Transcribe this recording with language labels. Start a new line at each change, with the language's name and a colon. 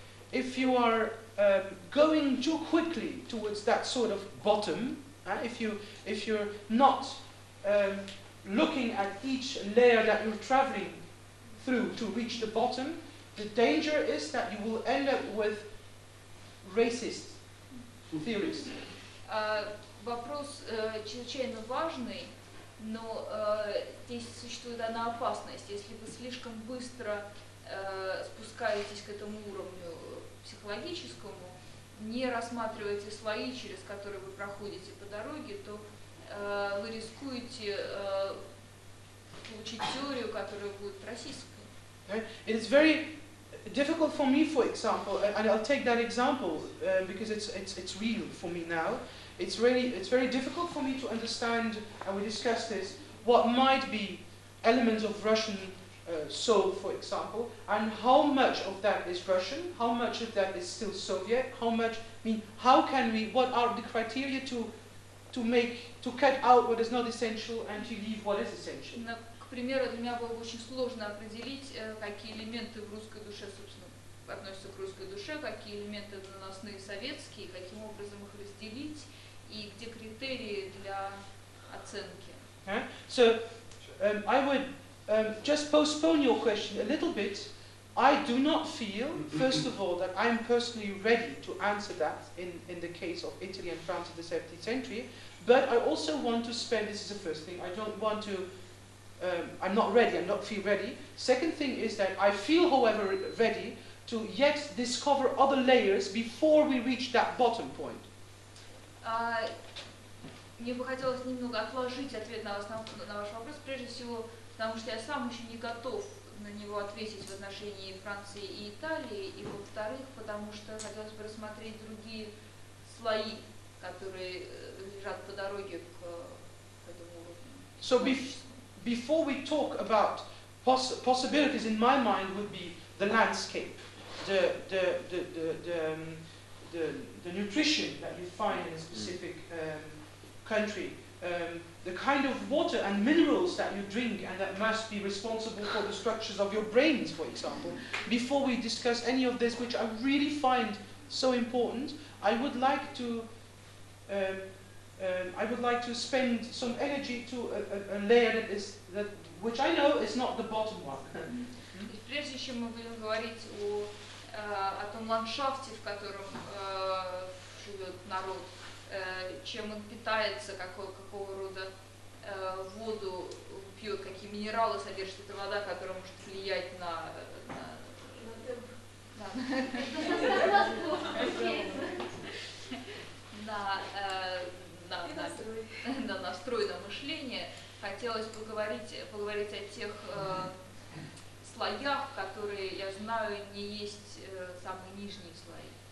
English: If you are going too quickly towards that sort of bottom, if you're not looking at each layer that you're traveling through to reach the bottom, the danger is that you will end up with racist theories.
Russian: Вопрос чрезвычайно важный, но здесь существует одна опасность. Если вы слишком быстро спускаетесь к этому уровню психологическому, не рассматриваете слои, через которые вы проходите по дороге, то вы рискуете получить теорию, которая будет расистской.
English: It is very difficult for me, for example, and I'll take that example because it's real for me now. It's very difficult for me to understand, and we discussed this, what might be elements of Russian soul, for example, and how much of that is Russian, how much of that is still Soviet, what are the criteria to cut out what is not essential and to leave what is essential.
Russian: К примеру, для меня было бы очень сложно определить, какие элементы в русской душе, собственно, относятся к русской душе, какие элементы наносные советские, каким образом их разделить и где критерии для оценки.
English: So I would just postpone your question a little bit. I do not feel, first of all, that I'm personally ready to answer that in the case of Italy and France in the 17th century, but I also want to spend, this is the first thing, I don't want to, I'm not ready, I don't feel ready. Second thing is that I feel, however, ready to yet discover other layers before we reach that bottom point.
Russian: Мне бы хотелось немного отложить ответ на ваш вопрос, прежде всего, потому что я сам еще не готов на него ответить в отношении Франции и Италии, и во-вторых, потому что хотелось бы рассмотреть другие слои, которые лежат по дороге к этому уровню.
English: So before we talk about possibilities, in my mind would be the landscape, the nutrition that you find in a specific country, the kind of water and minerals that you drink and that must be responsible for the structures of your brains, for example. Before we discuss any of this, which I really find so important, I would like to spend some energy to a layer that is that which I know is not the bottom one.
Russian: Прежде чем мы будем говорить о том ландшафте, в котором живет народ, чем он питается, какого рода воду пьет, какие минералы содержит эта вода, которая может влиять на настрой, на мышление, хотелось поговорить о тех слоях, которые я знаю, не есть самые нижние слои.